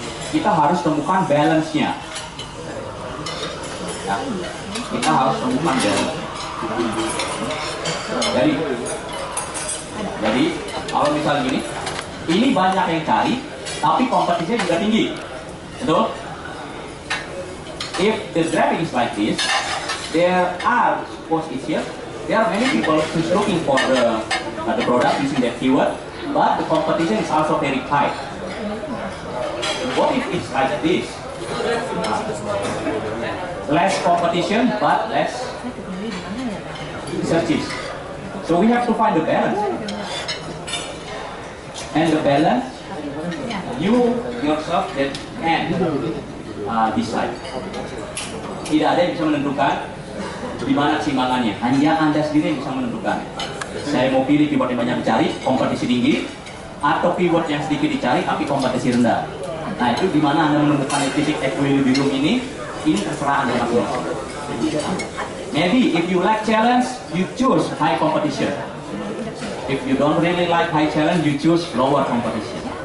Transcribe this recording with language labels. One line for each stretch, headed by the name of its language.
Indonesian: Kita harus temukan balance-nya. Ya. Kita harus temukan balance. Jadi kalau misalnya gini, ini banyak yang cari, tapi kompetisinya juga tinggi. Betul?
English: If the graphic is like this, there are many people who's looking for the product using that keyword, but the competition is also very tight. What if it's like this? Less competition, but less searches. So we have to find the balance. And the balance, you yourself that can decide.
Indonesian: Tidak ada yang bisa menentukan di mana simbangannya. Hanya Anda sendiri yang bisa menentukan. Saya mau pilih keyword yang banyak dicari, kompetisi tinggi, atau keyword yang sedikit dicari tapi kompetisi rendah. Nah itu di mana Anda menemukan titik equilibrium ini terserah Anda masing-masing.
English: Maybe if you like challenge, you choose high competition. If you don't really like high challenge, you choose lower competition.